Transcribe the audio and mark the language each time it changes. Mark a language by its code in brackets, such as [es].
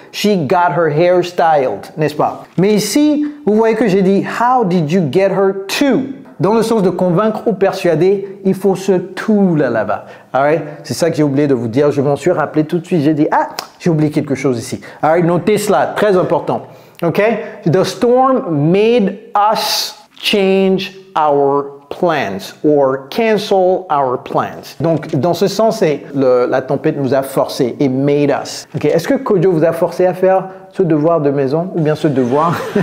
[en] She got her hair styled. [fr] N'est-ce pas? Mais ici, vous voyez que j'ai dit [en] how did you get her to? [fr] Dans le sens de convaincre ou persuader, il faut ce to là-bas. [en] All right? [fr] C'est ça que j'ai oublié de vous dire. Je m'en suis rappelé tout de suite. J'ai dit ah, j'ai oublié quelque chose ici. [en] All right? [fr] Notez cela. Très important. Okay? [en] The storm made us change our plans or cancel our plans. [fr] Donc, dans ce sens, c'est la tempête nous a forcé, [en] it made us. [fr] Okay. Est-ce que Kojo vous a forcé à faire ce devoir de maison ou bien ce devoir?